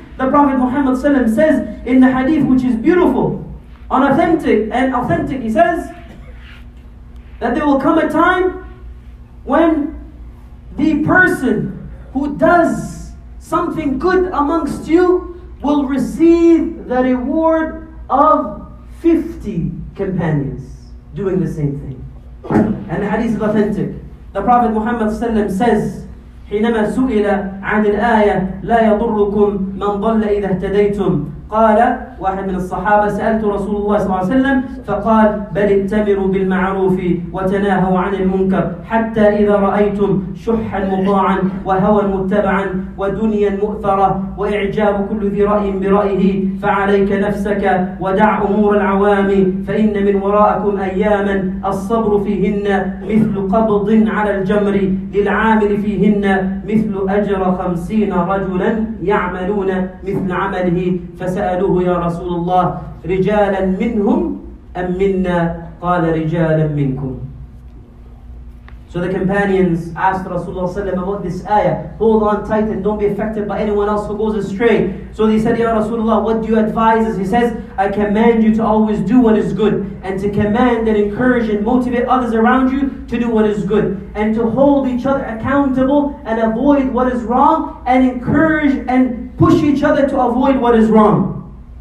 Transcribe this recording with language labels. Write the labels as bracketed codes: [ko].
[en] The Prophet Muhammad Sallam says in the hadith, which is beautiful, unauthentic and authentic, he says that there will come a time when the person who does something good amongst you will receive the reward of 50 companions doing the same thing. And the hadith is authentic. The Prophet Muhammad says, [ar] حينما سئل عن الآية لا يضركم من ضل إذا اهتديتم قال واحد من الصحابة سألت رسول الله صلى الله عليه وسلم فقال بل اتمروا بالمعروف وتناهوا عن المنكر حتى إذا رأيتم شحا مطاعا وهوى متبعا ودنيا مؤثرة وإعجاب كل ذي رأي برأيه فعليك نفسك ودع أمور العوام فإن من وراءكم أياما الصبر فيهن مثل قبض على الجمر للعامل فيهن مثل أجر 50 رجلا يعملون مثل عمله فسألوه يا رسول الله رجالا منهم أم منا قال رجالا منكم. [en] So the companions asked Rasulullah sallam about this ayah. Hold on tight and don't be affected by anyone else who goes astray. So they said, Ya Rasulullah, what do you advise us? He says, I command you to always do what is good, and to command and encourage and motivate others around you to do what is good, and to hold each other accountable and avoid what is wrong, and encourage and push each other to avoid what is wrong.